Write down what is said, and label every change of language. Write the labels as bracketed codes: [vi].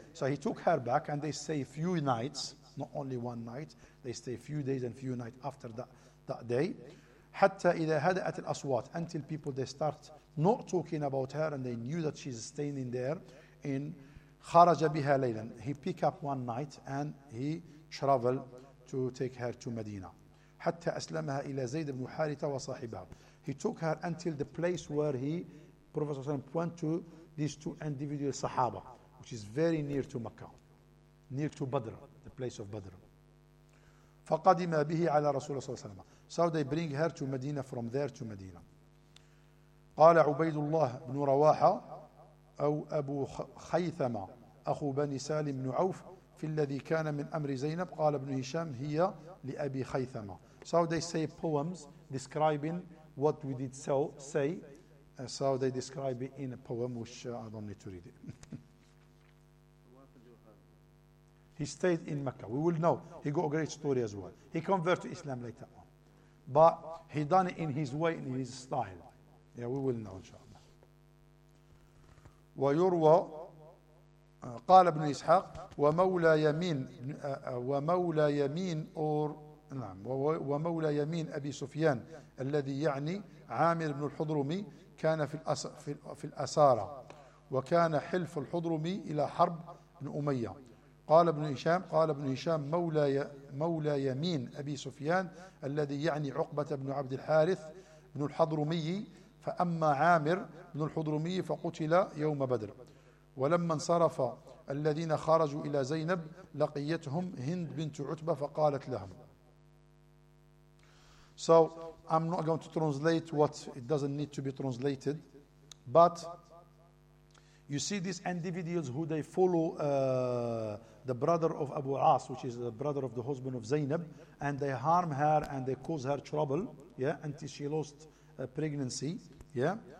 [en] So he took her back, and they stay a few nights, not only one night, they stay a few days and few nights after that day. [ar] حَتَّى إِذَا هَدَأَتِ الْأَصْوَاتِ. [en] Until people, they start not talking about her, and they knew that she's staying in there. [ar] In خَرَجَ بِهَا لَيْلًا. [en] He pick up one night, and he travel to take her to Medina. [ar] حَتَّى أَسْلَمَهَا إِلَى زَيْدِ بْنُ حَارِثَةَ وَصَاحِبَهَا. [en] He took her until the place where he, Prophet ﷺ, went to these two individual Sahaba, which is very near to Makkah, near to Badr, the place of Badr. [ar] فَقَدِمَا بِهِ عَلَى رَسُولَ صَلَّى اللَّهُ عَلَيْهِ وَسَلَّمَ. [en] So they bring her to Medina, from there to Medina. [ar] قَالَ عُبَيْدُ اللَّهِ بْنُ رَوَاحَ أَوْ أَبُو خَيْثَمَ أَخُو بَنِي سَالِمْ بْنُ عَوْفٍ فِي الَّذِي كَانَ مِنْ أَمْرِ زَيْنَبْ قَالَ بْنُ هِشَامٍ هِيَ لِأَبِي خَيْثَمَ. [en] So they say poems describing what we did so say. So they describe it in a poem, which I don't need to read it. He stayed in Mecca. We will know. He got a great story as well. He converted to Islam later on. But he done it in his way, in his style. Yeah, we will know, inshallah. [ar] وَيُرْوَى قَالَ ابْنُ إِسْحَاقَ وَمَوْلَى يَمِينَ وَمَوْلَى يَمِينَ or نعم وَمَوْلَى يَمِينَ أَبِي سُفْيَانَ الَّذِي يَعْنِي عَامِرَ بْنُ الْحُضْرُمِ كان في الأسارة وكان حلف الحضرمي إلى حرب بن أمية. قال ابن هشام مولى يمين أبي سفيان الذي يعني عقبة بن عبد الحارث بن الحضرمي. فأما عامر بن الحضرمي فقتل يوم بدر. ولما انصرف الذين خرجوا إلى زينب لقيتهم هند بنت عتبة فقالت لهم. [en] So I'm not going to translate what it doesn't need to be translated, but you see these individuals who they follow the brother of Abu As, which is the brother of the husband of Zainab, and they harm her and they cause her trouble, yeah, until she lost pregnancy, yeah.